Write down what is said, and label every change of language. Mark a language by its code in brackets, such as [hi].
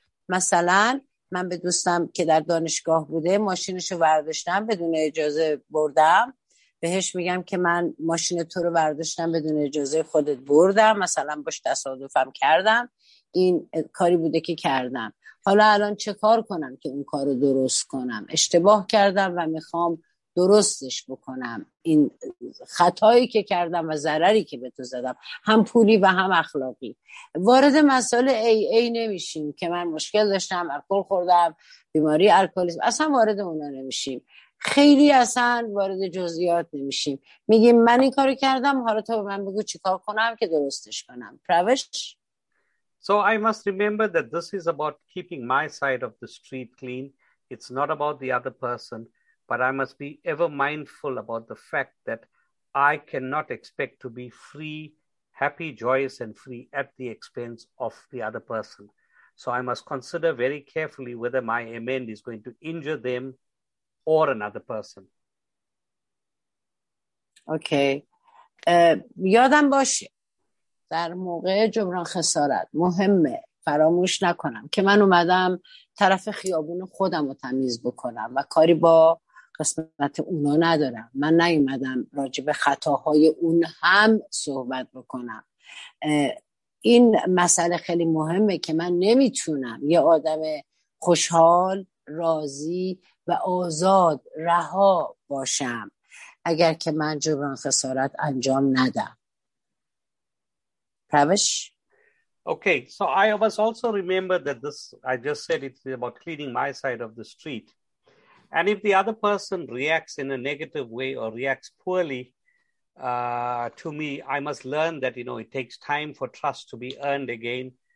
[fa] مثلا من به دوستم که در دانشگاه بوده ماشینشو برداشتم بدون اجازه بردم، بهش میگم که من ماشین تو رو برداشتم بدون اجازه خودت بردم، مثلا باش تصادفم کردم، این کاری بوده که کردم، حالا الان چه کار کنم که اون کارو درست کنم؟ اشتباه کردم و میخوام درستش بکنم، این خطایی که کردم و ضرری که به تو زدم، هم پولی و هم اخلاقی. وارد مسائل AA نمیشیم که من مشکل داشتم، الکل خوردم، بیماری الکلیسم، اصلا وارد اونا نمیشیم، خیلی اصلا وارد جزئیات نمیشیم. میگیم من این کارو کردم، حالا تو به من بگو چیکار کنم که درستش کنم. پروش. [en] So I must remember that this is about keeping my side of the street clean. It's not about the other person, but I must be ever mindful about the fact that I cannot expect to be free, happy, joyous and free at the expense of the other person. So I must consider very carefully whether my amend is going to injure them or another person. Okay. [fa] یادم باشه در موقع جبران خسارت مهمه فراموش نکنم که من اومدم طرف خیابون خودم رو تمیز بکنم و کاری با قسمت اونا ندارم. من نیومدم راجع به خطاهای اون هم صحبت بکنم. این مسئله خیلی مهمه که من نمیتونم یه آدم خوشحال، راضی و آزاد، رها باشم اگر که من جبران خسارت انجام ندم. [en] Pravesh? Okay, so I was also remember that this, I just said it's about cleaning my side of the street. And if the other person reacts in a negative way or reacts poorly to me, I must learn that, you know, it takes time for trust to be earned again.